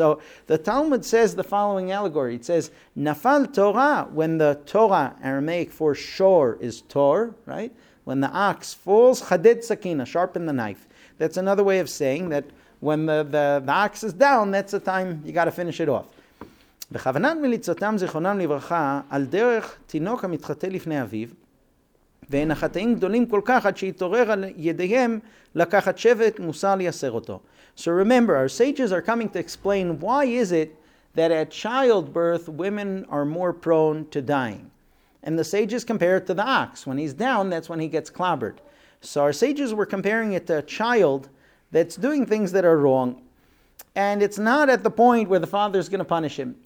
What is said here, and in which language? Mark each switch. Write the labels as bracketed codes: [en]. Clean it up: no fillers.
[en] So the Talmud says the following allegory. It says, [arc] Nafal Torah, [en] when the Torah, Aramaic for shor, is tor, right? When the ox falls, [arc] chadet sakina, [en] sharpen the knife. That's another way of saying that when the ox is down, that's the time you got to finish it off. [he] בחבנת מליצותם זיכרונם לברכה על דרך תינוק המתחתה לפני אביו ואין החטאים גדולים כל כך עד שיתעורר על ידיהם לקחת שבט מוסר לייסר אותו. [en] So remember, our sages are coming to explain why is it that at childbirth women are more prone to dying. And the sages compare it to the ox. When he's down, that's when he gets clobbered. So our sages were comparing it to a child that's doing things that are wrong. And it's not at the point where the father is going to punish him.